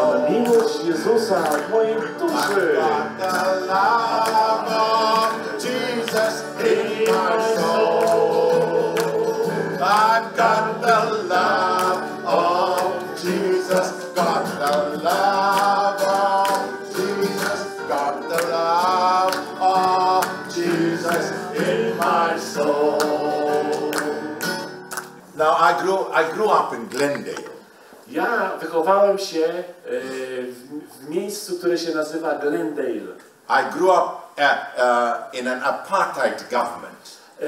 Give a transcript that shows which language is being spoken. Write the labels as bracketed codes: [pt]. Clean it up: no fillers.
[pl] Miłość Jezusa w mojej duszy. [en] I've got the love of Jesus in my soul. I've got the love of Jesus. Got the love of Jesus. Got the love of Jesus in my soul. Now I grew up in Glendale. [pl] Ja wychowałem się w miejscu, które się nazywa Glendale. [en] I grew up in an apartheid government.